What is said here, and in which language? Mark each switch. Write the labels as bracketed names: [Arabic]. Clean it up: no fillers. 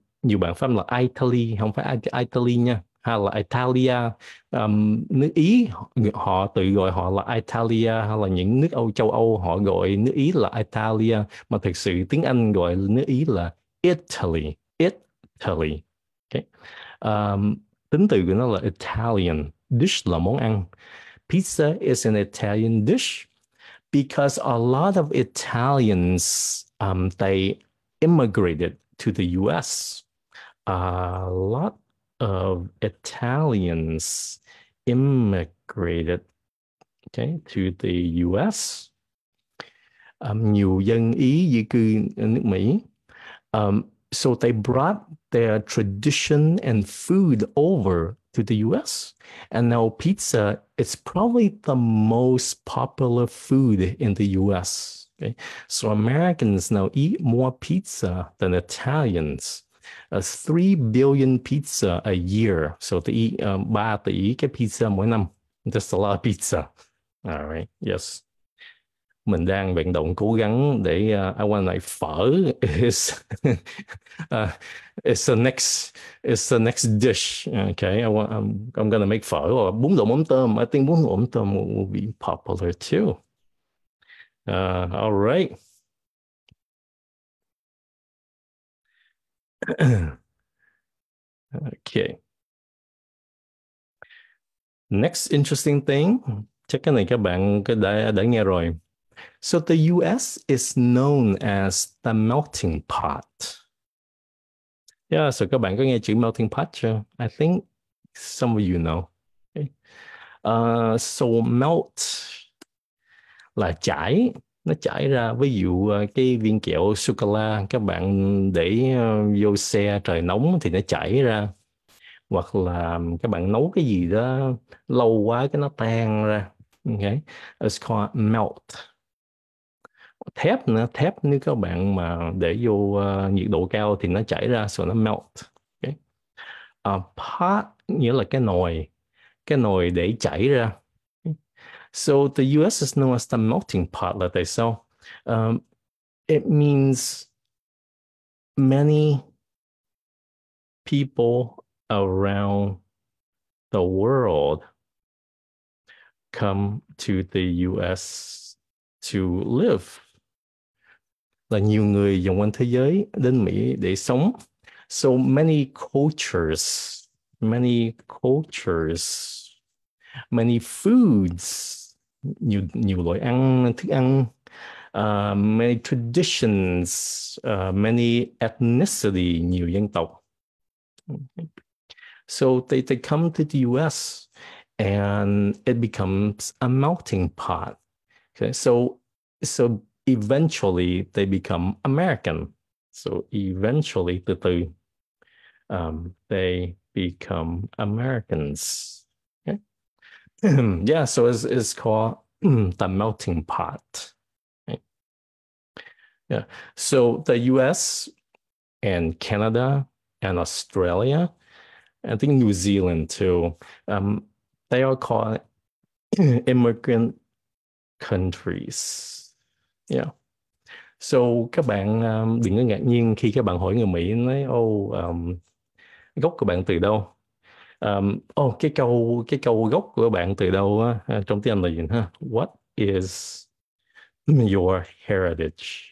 [Vietnamese] Nhiều bạn phát âm là Italy, không phải Italy nha. Hay là Italia, nước Ý, họ tự gọi họ là Italia, hay là những nước Âu, châu Âu, họ gọi nước Ý là Italia, mà thực sự tiếng Anh gọi nước Ý là Italy, Italy. Okay. Tính từ của nó là Italian, dish là món ăn. [English] Pizza is an Italian dish because a lot of Italians, they immigrated to the US. A lot of Italians immigrated to the US. [Vietnamese] Nhiều dân Ý di cư nước Mỹ. [English] So they brought their tradition and food over to the US. And now pizza is probably the most popular food in the US. Okay? So Americans now eat more pizza than Italians. 3 billion pizza a year. So they eat [Vietnamese] 3 tỷ cái pizza mỗi năm. [English] That's a lot of pizza. All right, yes. [Vietnamese] Mình đang vận động cố gắng để [English] I want like phở is the next dish. Okay, I'm gonna make phở or bún đậu mắm tôm. I think bún đậu mắm tôm will be popular too. All right. Okay. Next interesting thing. [Vietnamese] Chắc cái này các bạn đã nghe rồi. [English] So the US is known as the melting pot. Yeah, so [Vietnamese] các bạn có nghe chữ melting pot chưa? [English] I think some of you know. [Vietnamese] Okay. So melt là chảy. Nó chảy ra, ví dụ cái viên kẹo sô cô la các bạn để vô xe trời nóng thì nó chảy ra, hoặc là các bạn nấu cái gì đó lâu quá cái nó tan ra. [English] Okay, it's called melt. [Vietnamese] Thép nữa, thép nếu các bạn mà để vô nhiệt độ cao thì nó chảy ra, so nó melt. Pot nghĩa là cái nồi để chảy ra. [English] So the US is known as the melting pot, [Vietnamese] là tại sao? [English] It means many people around the world come to the US to live. [Vietnamese] Là nhiều người vòng quanh thế giới đến Mỹ để sống. [English] So many cultures, many foods. [Vietnamese] Nhiều nhiều loại ăn thức ăn, [English] many traditions, many ethnicity, [Vietnamese] nhiều dân tộc. [English] Okay. So they come to the US and it becomes a melting pot. Okay. So eventually they become American. So eventually [Vietnamese] từ từ [English] they become Americans. Okay. Yeah, so it's called the melting pot. Yeah. So the US and Canada and Australia, I think New Zealand too, they are called immigrant countries. [Vietnamese] So các bạn đừng có ngạc nhiên khi các bạn hỏi người Mỹ nói ô gốc của bạn từ đâu? Cái câu gốc của bạn từ đâu trong tiếng Anh là gì ha? [English] What is your heritage?